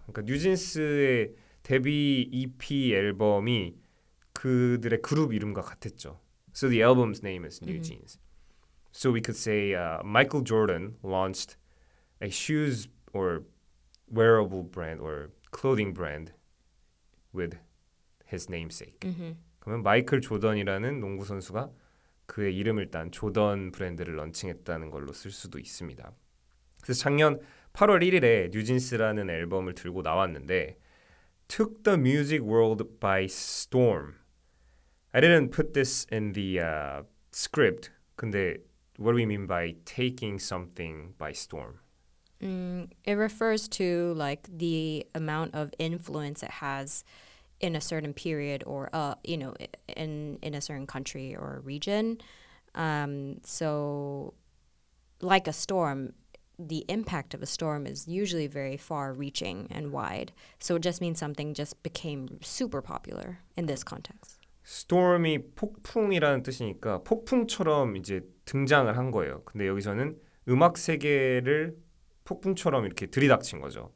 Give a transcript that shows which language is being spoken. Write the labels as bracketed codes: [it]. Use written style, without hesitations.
[ko] 그러니까 뉴진스의 데뷔 EP 앨범이 그들의 그룹 이름과 같았죠. [en] So the album's name is New Jeans. So we could say Michael Jordan launched a shoes or wearable brand or clothing brand with his namesake. Mm-hmm. [ko] 그러면 마이클 조던이라는 농구 선수가 그의 이름을 딴 조던 브랜드를 런칭했다는 걸로 쓸 수도 있습니다. 그래서 작년 8월 1일에 뉴진스라는 앨범을 들고 나왔는데 [en] Took the music world by storm. I didn't put this in the script. [ko] 근데 [en] what do we mean by taking something by storm? It refers to like the amount of influence it has in a certain period or you know in a certain country or region. So like a storm, the impact of a storm is usually very far-reaching and wide. So it just means something just became super popular in this context. [ko] Storm이 폭풍이라는 뜻이니까 폭풍처럼 이제 등장을 한 거예요. 근데 여기서는 음악 세계를 폭풍처럼 이렇게 들이닥친 거죠.